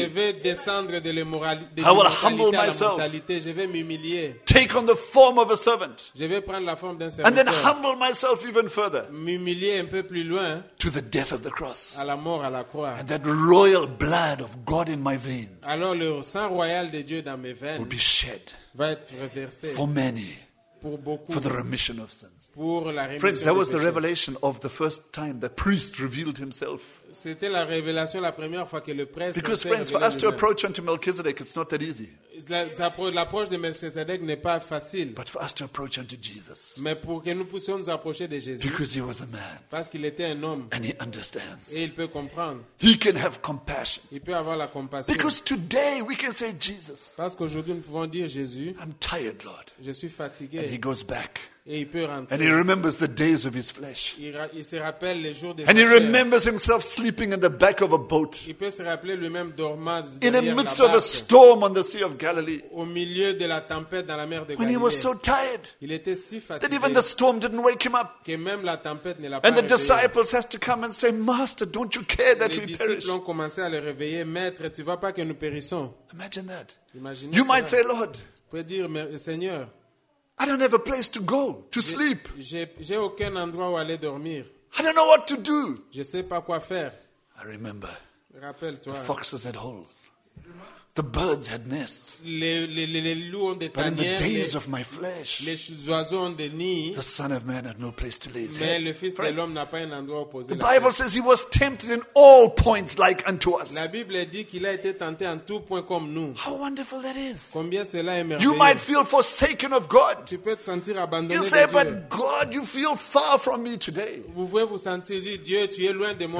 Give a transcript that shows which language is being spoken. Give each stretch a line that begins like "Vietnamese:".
French: Je vais descendre de l'immortalité.
English: I will humble myself.
French: Je vais m'humilier.
English: Take on the form of a servant.
French: Je vais prendre la forme d'un serviteur.
English: And then humble myself even further.
French: M'humilier un peu plus loin.
English: To the death of the cross.
French: À la mort à la croix.
English: And that royal blood of God in my veins.
French: Alors le sang royal de Dieu dans mes veines.
English: Will be shed.
French: Va être versé.
English: For many.
French: Pour beaucoup.
English: For the remission of sins.
French: Pour la rémission.
English: Friends, that was
French: péchés.
English: The revelation of the first time the priest revealed himself.
French: C'était la révélation la première fois que le prêtre.
English: Because friends, for us to approach unto Melchizedek, it's not that easy.
French: L'approche de Melchizedek n'est pas facile.
English: But for us to approach unto Jesus.
French: Mais pour que nous puissions nous approcher de Jésus.
English: Because he was a man.
French: Parce qu'il était un homme.
English: And he understands.
French: Et il peut comprendre.
English: He can have compassion.
French: Il peut avoir la compassion.
English: Because today we can say Jesus.
French: Parce qu'aujourd'hui nous pouvons dire Jésus.
English: I'm tired, Lord.
French: Je suis fatigué.
English: And he goes back.
French: Et il peut rentrer.
English: And he remembers the days of his flesh.
French: Il se rappelle les jours de sa chair.
English: And he remembers himself sleeping in the back of a boat.
French: Il peut se rappeler lui-même dormant derrière la
English: barque. In the midst of a storm on the Sea of Galilee.
French: Au milieu de la tempête dans la mer de Galilée.
English: When he was so tired.
French: Il était si fatigué.
English: That even the storm didn't wake him up.
French: Que même la tempête ne l'a pas réveillé.
English: And the disciples has to come and say, Master, don't you care that we perish?
French: Les disciples ont commencé à le réveiller, Maître, tu vois pas que nous périssons?
English: Imagine that.
French: Imaginez.
English: You might say, Lord.
French: Vous pouvez dire, Seigneur.
English: I don't have a place to go to sleep.
French: J'ai aucun endroit où aller dormir.
English: I don't know what to do.
French: Je sais pas quoi faire.
English: I remember.
French: Rappelle-toi.
English: The foxes had holes. The birds had nests.
French: Les loups ont des
English: tanières. But in the days of my flesh.
French: Les oiseaux ont des nids.
English: The son of man had no place to lay his head.
French: Mais le fils de l'homme n'a pas un endroit où poser la tête.
English: The Bible says he was tempted in all points like unto us.
French: La Bible dit qu'il a été tenté en tout point comme nous.
English: How wonderful that is.
French: Combien cela est merveilleux.
English: You might feel forsaken of God.
French: Tu peux te sentir abandonné de Dieu.
English: You say, but God, you feel far from me today.
French: Vous pouvez vous sentir dire, Dieu, tu es loin de moi.